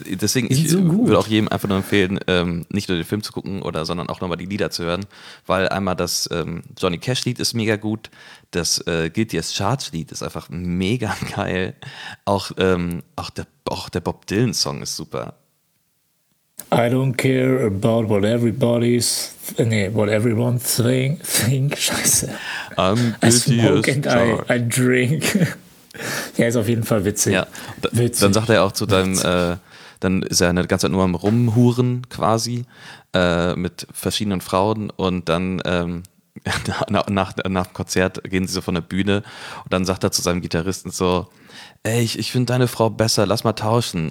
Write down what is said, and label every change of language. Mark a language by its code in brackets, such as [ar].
[de] Deswegen, ich so gut. Würde auch jedem einfach nur empfehlen, nicht nur den Film zu gucken, oder sondern auch nochmal die Lieder zu hören, weil einmal das Johnny Cash Lied ist mega gut, das Guilty as Charged Lied ist einfach mega geil, auch der Bob Dylan Song ist super. [en] I don't care about what everybody's what everyone think. [de] Scheiße. [en] I'm guilty. I smoke and I drink. [de] Der ist auf jeden Fall witzig. Ja, witzig. Dann sagt er auch zu deinem, dann ist er eine ganze Zeit nur am Rumhuren quasi mit verschiedenen Frauen und dann nach dem Konzert gehen sie so von der Bühne und dann sagt er zu seinem Gitarristen so, ey, ich finde deine Frau besser, lass mal tauschen.